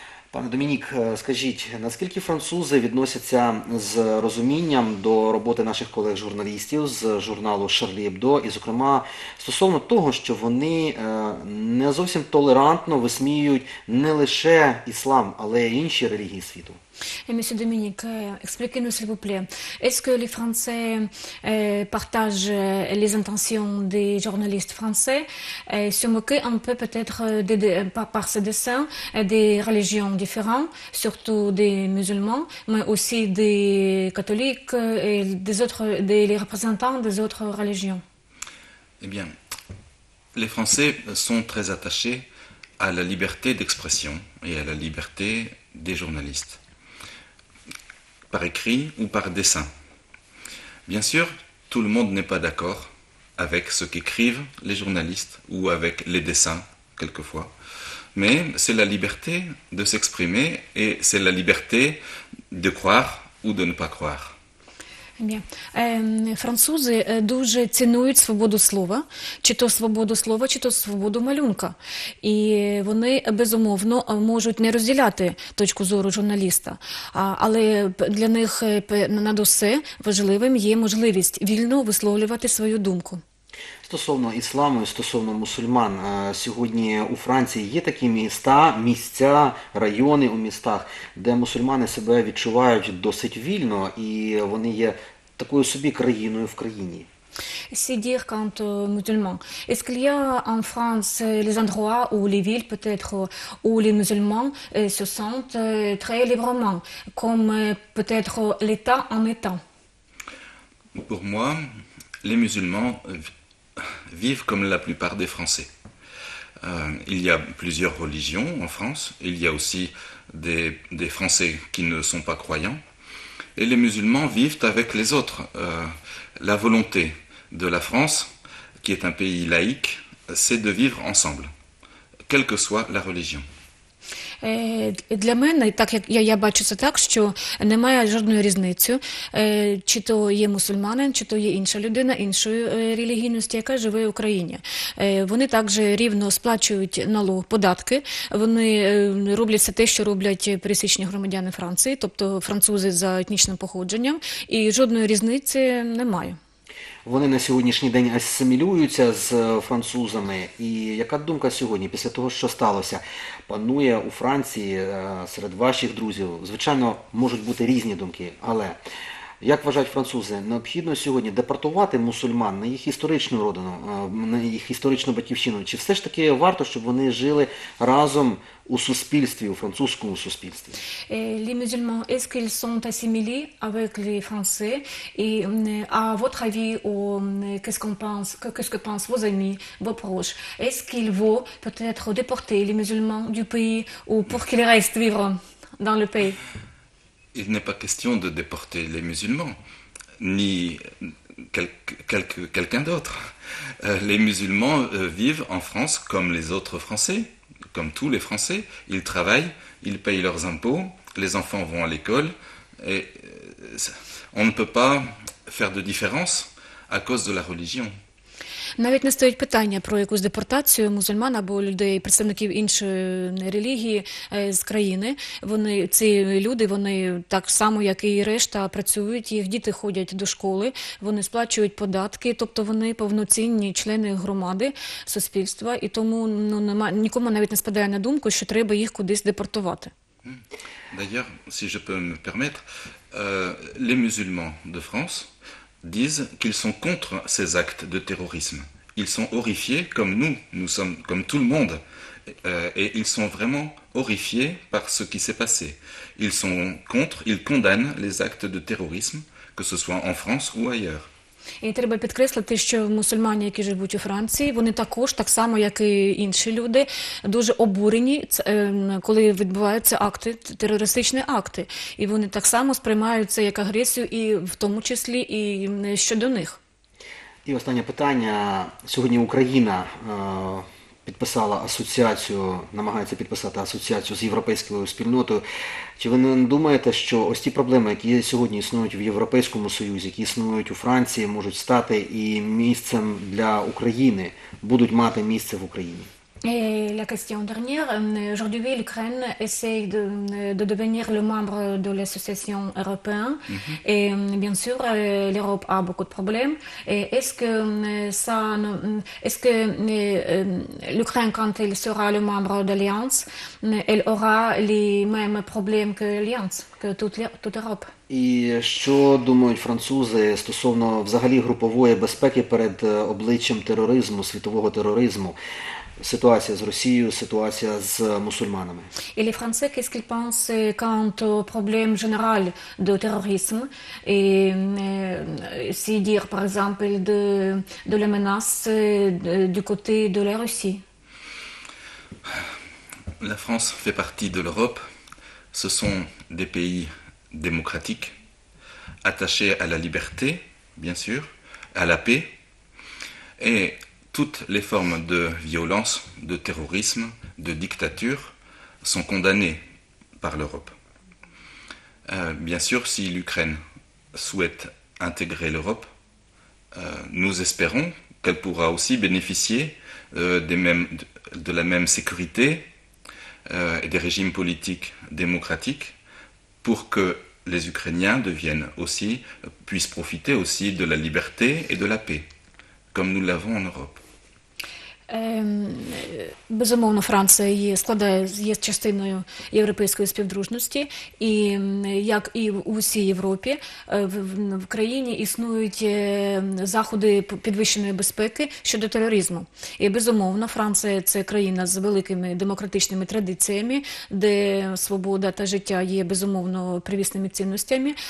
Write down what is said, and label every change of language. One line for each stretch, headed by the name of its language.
Ukrainian: Пане Домінік, скажіть, наскільки французи відносяться з розумінням до роботи наших колег-журналістів з журналу «Шарлі Ебдо» і, зокрема, стосовно того, що вони не зовсім толерантно висміюють не лише іслам, але й інші релігії світу?
French: Monsieur Dominique, expliquez-nous s'il vous plaît. Est-ce que les Français partagent les intentions des journalistes français et se moquer un peu peut-être par ces dessins des religions différentes, surtout des musulmans, mais aussi des catholiques et des autres, les représentants des autres religions? Eh bien, les Français sont très attachés à la liberté d'expression et à la liberté des journalistes. Par écrit ou par dessin. Bien sûr, tout le monde n'est pas d'accord avec ce qu'écrivent les journalistes ou avec les dessins, quelquefois. Mais c'est la liberté de s'exprimer et c'est la liberté de croire ou de ne pas croire.
Ukrainian: Ні. Французи дуже цінують свободу слова, чи то свободу слова, чи то свободу малюнка. І вони, безумовно, можуть не розділяти точку зору журналіста. Але для них над усе важливим є можливість вільно висловлювати свою думку. Стосовно ісламу і стосовно мусульман, сьогодні у Франції є такі міста, місця, райони у містах, де мусульмани себе відчувають досить вільно і вони є такою собі країною в країні.
French: C'est dire quand musulmans. Est-ce qu'il y a en France les endroits où les villes peut-être où les musulmans se sentent très librement comme peut-être l'État en État? Pour moi, les musulmans vivent comme la plupart des Français. Il y a plusieurs religions en France. Il y a aussi des Français qui ne sont pas croyants. Et les musulmans vivent avec les autres. La volonté de la France, qui est un pays laïque, c'est de vivre ensemble, quelle que soit la religion.
Ukrainian: Для мене, так як я бачу це так, що немає жодної різниці, чи то є мусульманин, чи то є інша людина, іншої релігійності, яка живе в Україні. Вони також рівно сплачують налог, податки, вони роблять все те, що роблять пересічні громадяни Франції, тобто французи за етнічним походженням, і жодної різниці немає. Вони на сьогоднішній день асимілюються з французами. І яка думка сьогодні, після того, що сталося, панує у Франції серед ваших друзів? Звичайно, можуть бути різні думки, але як вважають французи, необхідно сьогодні депортувати мусульман на їх історичну родину, на їх історичну батьківщину? Чи все ж таки варто, щоб вони жили разом у суспільстві, у французькому суспільстві?
French: Les musulmans, est-ce qu'ils sont assimilés avec les Français? Et à votre avis, qu'est-ce que pensent vos amis, vos proches? Est-ce qu'il vaut peut-être déporter les musulmans du pays ou pour qu'ils restent vivre dans le pays? Il n'est pas question de déporter les musulmans, ni quelqu'un d'autre. Les musulmans vivent en France comme les autres Français, comme tous les Français. Ils travaillent, ils payent leurs impôts, les enfants vont à l'école. Et on ne peut pas faire de différence à cause de la religion.
Ukrainian: Навіть не стоїть питання про якусь депортацію мусульман або людей, представників іншої релігії з країни. Вони, ці люди, вони так само, як і решта, працюють, їх діти ходять до школи, вони сплачують податки, тобто вони повноцінні члени громади, суспільства, і тому нікому навіть не спадає на думку, що треба їх кудись депортувати.
French: D'ailleurs, si je peux me permettre, les musulmans de France disent qu'ils sont contre ces actes de terrorisme. Ils sont horrifiés, comme nous, nous sommes comme tout le monde, et ils sont vraiment horrifiés par ce qui s'est passé. Ils sont contre, ils condamnent les actes de terrorisme, que ce soit en France ou ailleurs.
Ukrainian: І треба підкреслити, що мусульмани, які живуть у Франції, вони також, так само, як і інші люди, дуже обурені, коли відбуваються акти, терористичні акти. І вони так само сприймають це як агресію, і в тому числі і щодо них. І останнє питання. Сьогодні Україна підписала асоціацію, намагається підписати асоціацію з європейською спільнотою. Чи ви не думаєте, що ось ті проблеми, які сьогодні існують в Європейському Союзі, які існують у Франції, можуть стати і місцем для України, будуть мати місце в Україні?
French: Et la question dernière, aujourd'hui l'Ukraine essaie de devenir le membre de l'association européenne et bien sûr l'Europe a beaucoup de problèmes. Et l'Ukraine, quand elle sera le membre de l'Alliance, elle aura les mêmes problèmes que l'Alliance, que toute l'Europe?
Ukrainian: І що думають французи стосовно взагалі групової безпеки перед обличчям тероризму, світового тероризму? Ситуація з Росією, ситуація з мусульманами.
French: Et les Français, qu'est-ce qu'ils pensent quant au problème général de terrorisme et c'est dire par exemple de la menace du côté de la Russie? La France fait partie de l'Europe. Ce sont des pays démocratiques, attachés à la liberté, bien sûr, à la paix. Et toutes les formes de violence, de terrorisme, de dictature sont condamnées par l'Europe. Bien sûr, si l'Ukraine souhaite intégrer l'Europe, nous espérons qu'elle pourra aussi bénéficier de la même sécurité et des régimes politiques démocratiques pour que les Ukrainiens deviennent aussi, puissent profiter aussi de la liberté et de la paix, comme nous l'avons en Europe.
Ukrainian: Безумовно, Франція є складає є частиною європейської співдружності, і як і у всій Європі, в країні існують заходи підвищеної безпеки щодо тероризму. І безумовно, Франція це країна з великими демократичними традиціями, де свобода та життя є безумовно привісними цінностями.